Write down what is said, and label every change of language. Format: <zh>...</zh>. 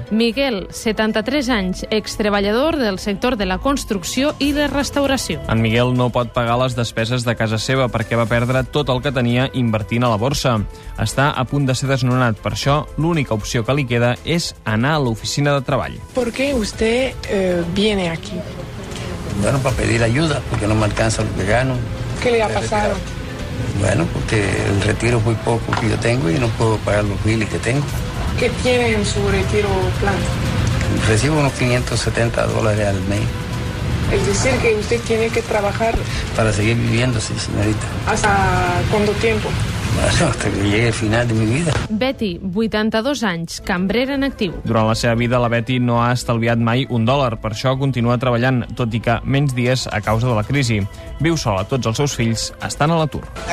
<ca>Miguel, 73 anys, ex-treballador del sector de la construcció i de restauració. En Miguel no pot pagar les despeses de casa seva perquè va perdre tot el que tenia invertint a la borsa. Està a punt de ser desnonat, per això l'única opció que li queda és anar a l'oficina de treball.</ca> <es>¿Por qué usted viene aquí? Bueno, para pedir ayuda, porque no me alcanza lo que gano. ¿Qué le ha pasado? Bueno, porque el retiro es muy poco que yo tengo y no puedo pagar los miles que tengo. ¿Qué tiene en su retiro plan? Recibo unos $570 al mes. Es decir, que usted tiene que trabajar... Para seguir viviendo, sí, señorita. ¿Hasta cuánto tiempo? Bueno, hasta que llegue el final de mi vida.</es> <ca>Betty, 82 anys, cambrera en actiu. Durant la seva vida, la Betty no ha estalviat mai un dòlar, per això continua treballant, tot i que menys dies a causa de la crisi. Viu sola, tots els seus fills estan a l'atur.</ca>